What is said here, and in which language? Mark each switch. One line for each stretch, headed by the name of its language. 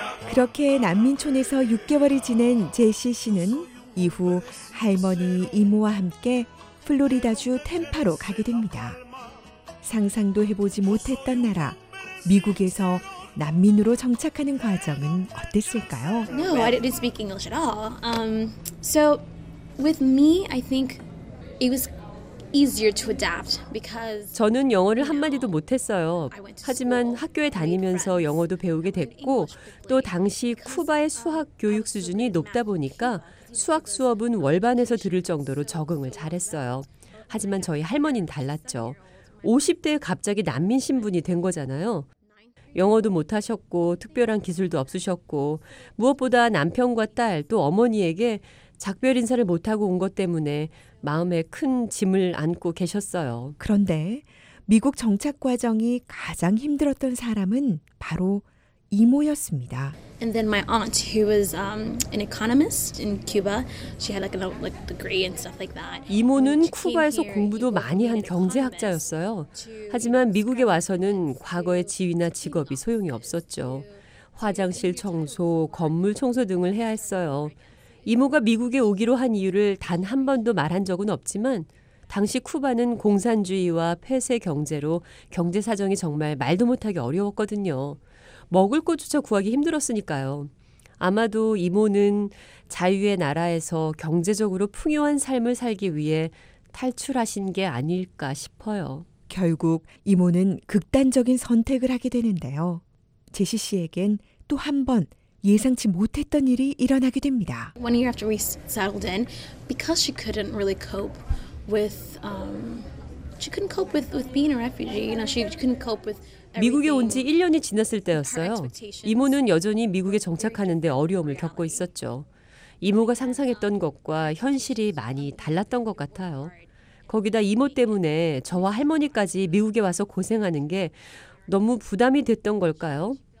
Korean: 그렇게 난민촌에서 6개월을 지낸 제시 씨는 이후 할머니 이모와 함께 플로리다주 템파로 가게 됩니다. 상상도 해보지 못했던 나라, 미국에서 난민으로 정착하는 과정은 어땠을까요?
English: No, I didn't speak English at all. So with me, I think it was easier to adapt because
Korean: 저는 영어를 한 마디도 못했어요. 하지만 학교에 다니면서 영어도 배우게 됐고 또 당시 쿠바의 수학 교육 수준이 높다 보니까 수학 수업은 월반에서 들을 정도로 적응을 잘했어요. 하지만 저희 할머니는 달랐죠. 50대에 갑자기 난민 신분이 된 거잖아요. 영어도 못하셨고 특별한 기술도 없으셨고 무엇보다 남편과 딸 또 어머니에게 작별 인사를 못하고 온 것 때문에 마음에 큰 짐을 안고 계셨어요. 그런데 미국 정착 과정이 가장 힘들었던 사람은 바로 이모였습니다.
English: And then my aunt, who was an economist in Cuba, she had like a degree and stuff like that.
Korean: 이모는 쿠바에서 공부도 많이 한 경제학자였어요. 하지만 미국에 와서는 과거의 지위나 직업이 소용이 없었죠. 화장실 청소, 건물 청소 등을 해야 했어요. 이모가 미국에 오기로 한 이유를 단 한 번도 말한 적은 없지만 당시 쿠바는 공산주의와 폐쇄 경제로 경제 사정이 정말 말도 못하게 어려웠거든요. 먹을 것조차 구하기 힘들었으니까요. 아마도 이모는 자유의 나라에서 경제적으로 풍요한 삶을 살기 위해 탈출하신 게 아닐까 싶어요. 결국 이모는 극단적인 선택을 하게 되는데요. 제시 씨에겐 또 한 번 예상치 못했던 일이 일어나게 됩니다.
English: One year after we settled in, because she couldn't really cope with she couldn't cope with being a refugee. You know, she couldn't cope with
Korean: 미국에 온 지 1년이 지났을 때였어요. 이모는 여전히 미국에 정착하는데 어려움을 겪고 있었죠. 이모가 상상했던 것과 현실이 많이 달랐던 것 같아요. 거기다 이모 때문에 저와 할머니까지 미국에 와서 고생하는 게 너무 부담이 됐던 걸까요?